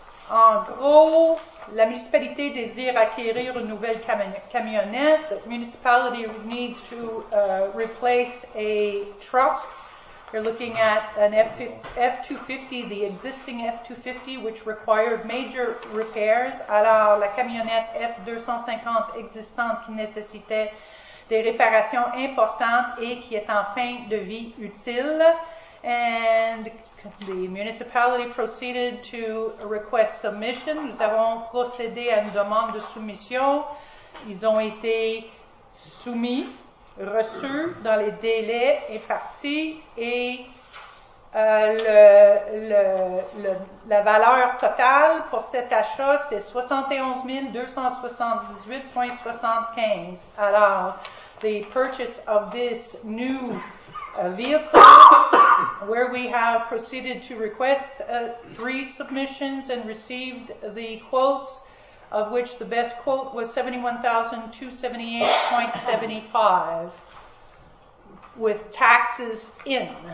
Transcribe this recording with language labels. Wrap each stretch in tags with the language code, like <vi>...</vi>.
<fr>En gros, la municipalité désire acquérir une nouvelle camionnette.</fr> <en>The municipality needs to replace a truck. You're looking at an F-250, the existing F-250, which required major repairs.</en> <fr>Alors, la camionnette F-250 existante qui nécessitait des réparations importantes et qui est en fin de vie utile.</fr> <en>And the municipality proceeded to request submission.</en> <fr>Nous avons procédé à une demande de soumission. Ils ont été soumis, reçus dans les délais impartis et la valeur totale pour cet achat, c'est 71 278,75.</fr> <en>Alors, the purchase of this new vehicle, where we have proceeded to request 3 submissions and received the quotes, of which the best quote was 71,278.75, with taxes in.</en>